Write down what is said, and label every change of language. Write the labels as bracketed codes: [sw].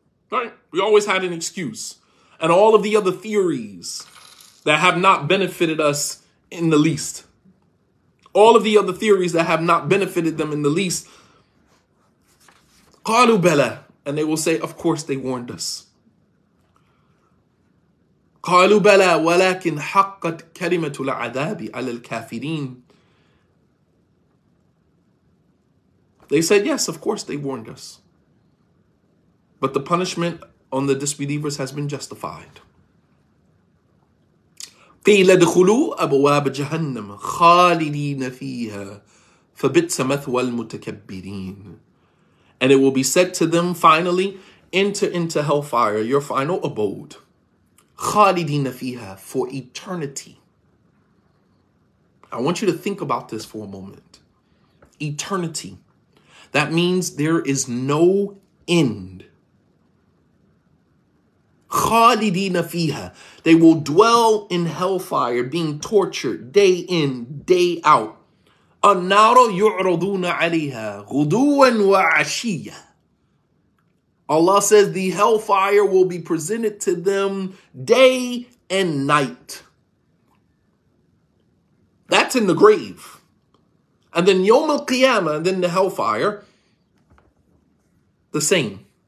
[en] Right? We always had an excuse. And all of the other theories that have not benefited us in the least. All of the other theories that have not benefited them in the least. [ar] قَالُوا بَلَى. [en] And they will say, of course they warned us. [ar] قالوا بلى ولكن حقت كلمة العذاب على الكافرين. [en] They said, yes, of course they warned us. But the punishment on the disbelievers has been justified. [ar] قيل ادخلوا أبواب جهنم خالدين فيها فبئس مثوى المتكبرين. [en] And it will be said to them, finally, enter into hellfire, your final abode. [ar] خالدين فيها, [en] for eternity. I want you to think about this for a moment. Eternity. That means there is no end. [ar] خالدين فيها. [en] They will dwell in hellfire, being tortured day in, day out. [ar] النار يعرضون عليها غدوا وعشيا. [en] Allah says the hellfire will be presented to them day and night. That's in the grave. And then [ar] يوم القيامة, [en] and then the hellfire, the same.